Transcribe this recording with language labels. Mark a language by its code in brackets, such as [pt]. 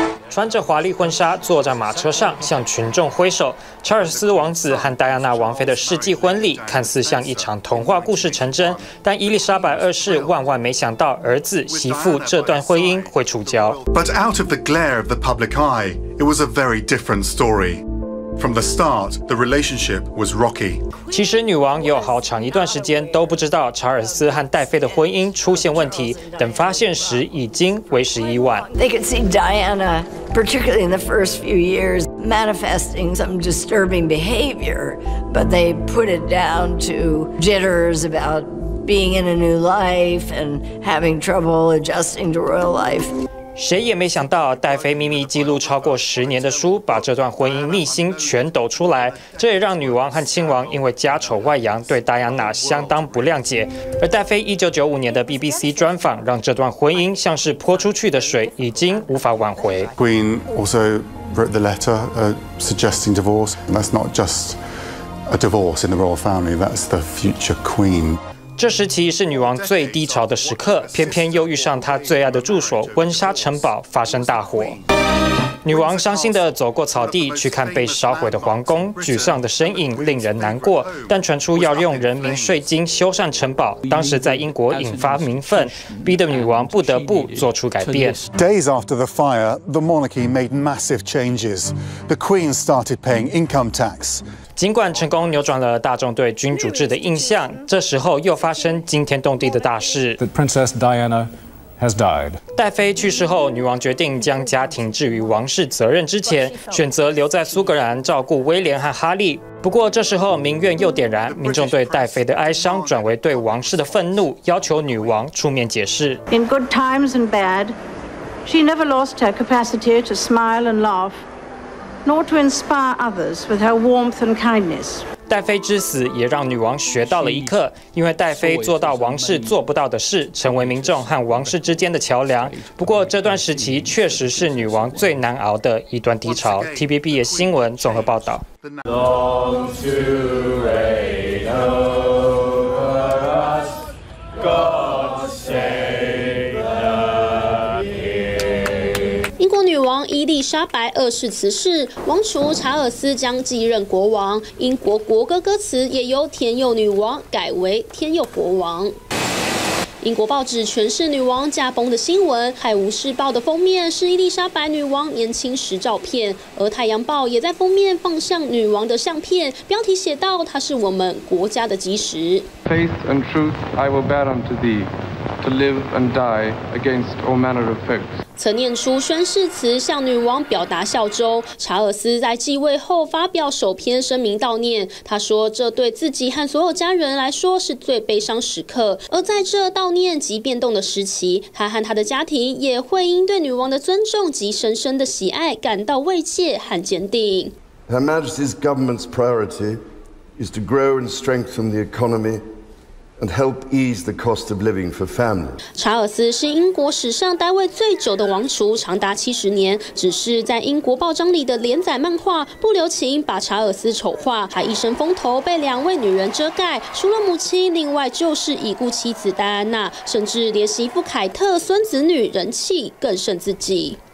[zh] 穿着华丽婚纱，坐在马车上向群众挥手。查尔斯王子和戴安娜王妃的世纪婚礼看似像一场童话故事成真，但伊丽莎白二世万万没想到儿子媳妇这段婚姻会触礁。 [en] But out of the glare of the public eye, it was a very different story. From the start, the relationship was rocky. [zh] 其实女王有好长一段时间都不知道查尔斯和戴妃的婚姻出现问题，等发现时已经为时已晚。 [en] They could see Diana, particularly in the first few years, manifesting some disturbing behavior, but they put it down to jitters about being in a new life and having trouble adjusting to royal life. [zh] 谁也没想到戴妃秘密记录超过十年的书把这段婚姻秘辛全抖出来，这也让女王和亲王因为家丑外扬对戴安娜相当不谅解。而戴妃1995年的 BBC 专访让这段婚姻像是泼出去的水已经无法挽回。 [en] Queen also wrote the letter suggesting divorce. That's not just a divorce in the royal family, that's the future queen. [zh] 这时期是女王最低潮的时刻，偏偏又遇上她最爱的住所温莎城堡发生大火。女王伤心地走过草地，去看被烧毁的皇宫，沮丧的身影令人难过。但传出要用人民税金修缮城堡，当时在英国引发民愤，逼得女王不得不做出改变。 [en] Days after the fire, the monarchy made massive changes. The Queen started paying income tax. [zh] 尽管成功扭转了大众对君主制的印象，这时候又发生惊天动地的大事。 [en] The Princess Diana has died. [zh] 戴妃去世后，女王决定将家庭置于王室责任之前，选择留在苏格兰照顾威廉和哈利。不过这时候民怨又点燃，民众对戴妃的哀伤转为对王室的愤怒，要求女王出面解释。 [en] In good times and bad, she never lost her capacity to smile and laugh. Nor to inspire others with her warmth and kindness. [zh] 戴妃之死也让女王学到了一课，因为戴妃做到王室做不到的事，成为民众和王室之间的桥梁。不过这段时期确实是女王最难熬的一段低潮。 TVBS 新闻综合报道。伊丽莎白二世辞世，王储查尔斯将继任国王。英国国歌歌词也由天佑女王改为天佑国王。英国报纸全是女王驾崩的新闻，《泰晤士报》的封面是伊丽莎白女王年轻时照片，而《太阳报》也在封面放上女王的相片，标题写道：“她是我们国家的基石。” [en] Faith and truth, I will bear unto thee, to live and die against all manner of foes. [zh] 曾念出宣誓词向女王表达效忠。查尔斯在继位后发表首篇声明悼念，他说这对自己和所有家人来说是最悲伤时刻，而在这悼念及变动的时期，他和他的家庭也会因对女王的尊重及深深的喜爱感到慰藉和坚定。 [en] Her Majesty's government's priority is to grow and strengthen the economyAnd help ease the cost of living for families. [zh] 查尔斯是英国史上待位最久的王储，长达70年。只是在英国报章里的连载漫画不留情把查尔斯丑化，他一生风头被两位女人遮盖，除了母亲，另外就是已故妻子戴安娜，甚至连媳妇凯特、孙子女人气更胜自己。